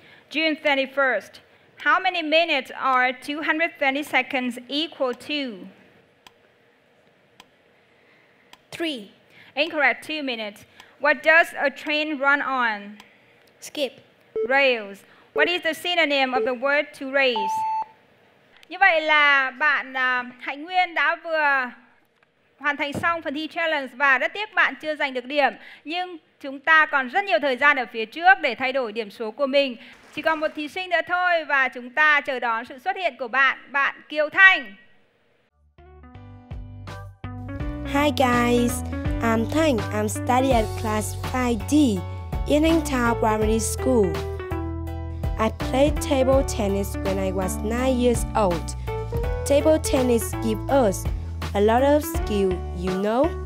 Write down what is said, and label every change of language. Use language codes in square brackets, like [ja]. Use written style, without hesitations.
[en] June 31st. How many minutes are 220 seconds equal to? 3. Incorrect, 2 minutes. What does a train run on? Skip. Rails. What is the synonym of the word to raise? [vi] Như vậy là bạn Hạnh Nguyên đã vừa hoàn thành xong phần thi challenge và rất tiếc bạn chưa giành được điểm. Nhưng chúng ta còn rất nhiều thời gian ở phía trước để thay đổi điểm số của mình. Chỉ còn một thí sinh nữa thôi và chúng ta chờ đón sự xuất hiện của bạn, bạn Kiều Thanh. [en] Hi guys, I'm Thanh. I'm studying at class 5D in Ningtao Primary School. I played table tennis when I was 9 years old. Table tennis gives us a lot of skill, you know.